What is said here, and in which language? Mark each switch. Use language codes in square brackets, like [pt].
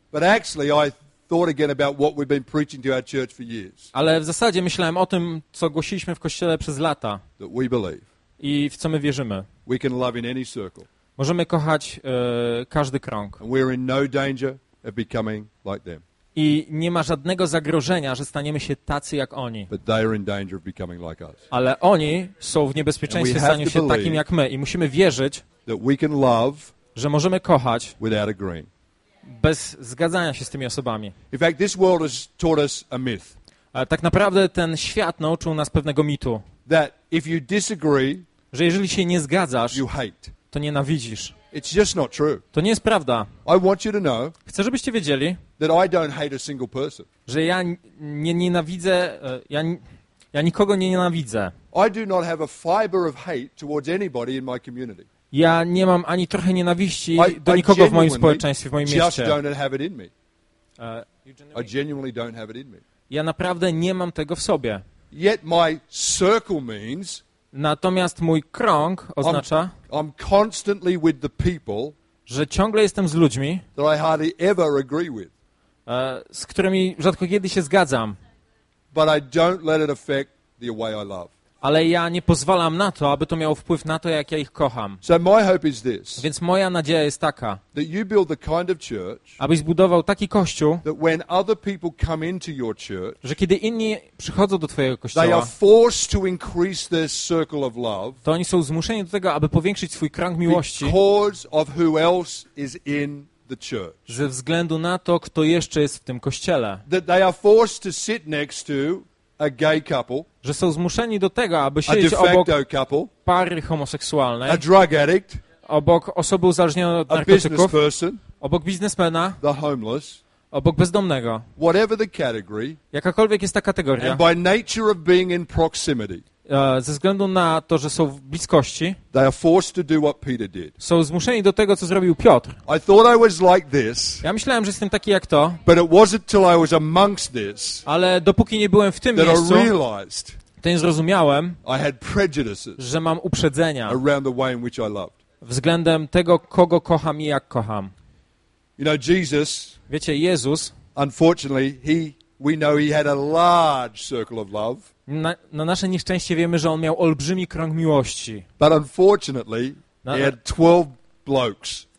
[en] But actually I thought again about what we've been preaching to our church for years. [pl] Ale w zasadzie myślałem o tym, co głosiliśmy w kościele przez lata. [en] That we believe. [pl] I w co my wierzymy. [en] We can love in any circle. [pl] Możemy kochać każdy krąg. [en] And we're in no danger of becoming like them. [pl] I nie ma żadnego zagrożenia, że staniemy się tacy jak oni. [en] But they are in danger of becoming like us. [pl] Ale oni są w niebezpieczeństwie stania się takim jak my. I musimy wierzyć, [en] that we can love, [pl] że możemy kochać [en] without agreeing. [pl] Bez zgadzania się z tymi osobami. [en] In fact, this world has taught us a myth. [pl] Tak naprawdę ten świat nauczył nas pewnego mitu. [en] That if you disagree, [pl] że jeżeli się nie zgadzasz, [en] you hate. [pl] To nienawidzisz. [en] It's just not true. [pl] To nie jest prawda. [en] I want you to know, [pl] chcę, żebyście wiedzieli, [en] that I don't hate a single person. [pl] Że ja nie nienawidzę, ja nikogo nie nienawidzę. [en] I do not have a fiber of hate towards anybody in my community. [pl] Ja nie mam ani trochę nienawiści do nikogo w moim społeczeństwie, w moim mieście. [en] Just don't have it in me. I genuinely don't have it in me. [pl] Ja naprawdę nie mam tego w sobie. [en] Yet my circle means. [pl] Natomiast mój krąg oznacza. [en] I'm constantly with the people. [pl] Że ciągle jestem z ludźmi. [en] That I hardly ever agree with. [pl] Z którymi rzadko kiedy się zgadzam. [en] But I don't let it affect the way I love. [pl] Ale ja nie pozwalam na to, aby to miało wpływ na to, jak ja ich kocham. [en] So my hope is this, [pl] więc moja nadzieja jest taka, [en] that you build the kind of church, [pl] abyś zbudował taki kościół, [en] that when other people come into your church, [pl] że kiedy inni przychodzą do twojego kościoła, [en] they are forced to increase their circle of love, [pl] to oni są zmuszeni do tego, aby powiększyć swój krąg miłości, [en] because of who else is in the church. [pl] Ze względu na to, kto jeszcze jest w tym kościele. [en] That they are forced to sit next to a gay couple, [pl] że są zmuszeni do tego, aby siedzieć obok [en] couple, [pl] pary homoseksualnej, [en] a drug addict, [pl] obok osoby uzależnionej od narkotyków, obok biznesmena, [en] the homeless, [pl] obok bezdomnego. [en] Whatever the category, [pl] jakakolwiek jest ta kategoria, [en] and by nature of being in proximity, [pl] ze względu na to, że są w bliskości, [en] they are forced to do what Peter did. [pl] Są zmuszeni do tego, co zrobił Piotr. [en] I thought I was like this, [pl] ja myślałem, że jestem taki jak to, [en] but it wasn't till I was amongst this, [pl] ale dopóki nie byłem w tym [en] that [pl] miejscu, [en] I realized, [pl] to nie zrozumiałem, [en] I had prejudices, [pl] że mam uprzedzenia [en] around the way in which I loved. [pl] Względem tego, kogo kocham i jak kocham. [en] You know, Jesus, [pl] wiecie, Jezus, [en] unfortunately, we know he had a large circle of love. [pl] Na nasze nieszczęście wiemy, że on miał olbrzymi krąg miłości. [en] But unfortunately, he had 12 blokes.